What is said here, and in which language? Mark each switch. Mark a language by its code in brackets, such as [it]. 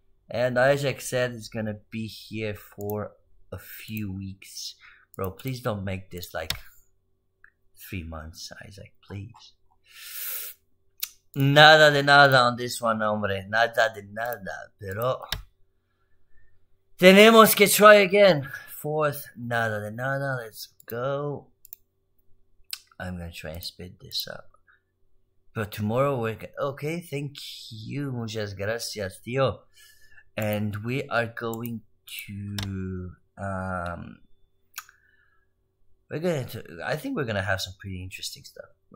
[en] And Isaac said it's gonna be here for a few weeks. Bro, please don't make this like 3 months, Isaac, please. [es] Nada de nada [en] on this one, [es] hombre. Nada de nada, pero tenemos que [en] try again. Fourth, [es] nada de nada, [en] let's go. I'm gonna try and speed this up. But tomorrow we're okay. Thank you, [es] muchas gracias, tío. [en] And we are going to I think we're gonna have some pretty interesting stuff.